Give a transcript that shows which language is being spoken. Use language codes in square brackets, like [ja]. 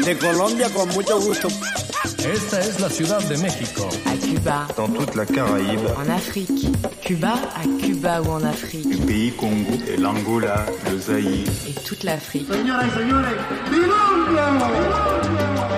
[es] De Colombia, con mucho gusto. Esta es la ciudad de México. [fr] À Cuba. Dans toute la Caraïbe. En Afrique. Cuba, à Cuba ou en Afrique. Le pays Congo. Et l'Angola, le Zaïre. Et toute l'Afrique. [es] Señores, señores, Colombia.